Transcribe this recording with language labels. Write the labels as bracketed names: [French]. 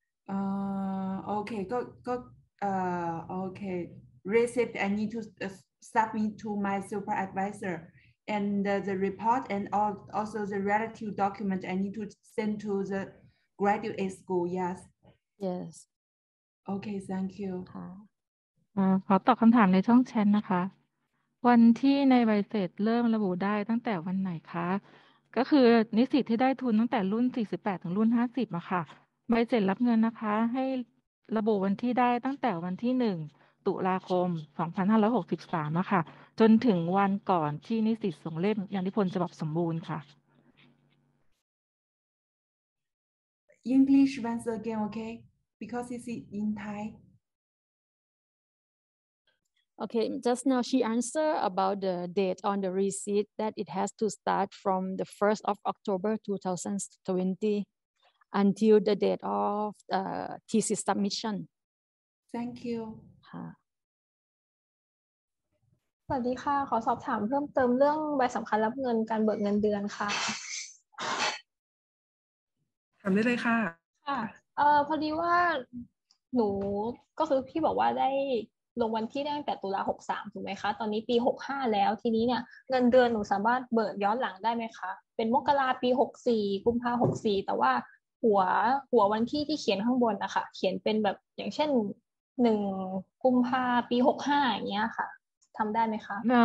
[English] Okay. Go. Okay. received I need to submit to my supervisor and the report and also the relative document I need to send to the graduate school. Yes. Yes. Okay. Thank you. [Thai] ขอตอบคำถามในช่องแชทนะคะวันที่ในใบเสร็จเริ่มระบุได้ตั้งแต่วันไหนคะก็คือนิสิตที่ได้ทุนตั้งแต่รุ่น48ถึงรุ่น50อะค่ะใบเสร็จรับเงินนะคะให้ระบุวันที่ได้ตั้งแต่วันที่1ตุลาคม2563อะค่ะจนถึงวันก่อนที่นิสิตส่งเล่มยานิพนธ์ฉบับสมบูรณ์ค่ะ [English] English once again okay because it's in Thai Okay, just now she answered about the date on the receipt that it has to start from the 1st of October 2020 until the date of the thesis submission. Thank you. [Thai] สวัสดีค่ะขอสอบถามเพิ่มเติมเรื่องใบสำคัญรับเงินการเบิกเงินเดือนค่ะ ถามได้เลยค่ะ ค่ะพอดีว่าหนูก็คือพี่บอกว่าได้ลงวันที่ตั้งแต่ตุลา63ถูกไหมคะตอนนี้ปี65แล้วทีนี้เนี่ยเงินเดือนหนูสามารถเบิกย้อนหลังได้ไหมคะเป็นมกราปี64กุมภา64แต่ว่าหัววันที่ที่เขียนข้างบนนะคะเขียนเป็นแบบอย่างเช่น1กุมภาปี65อย่างเงี้ยค่ะทำได้ไหมคะ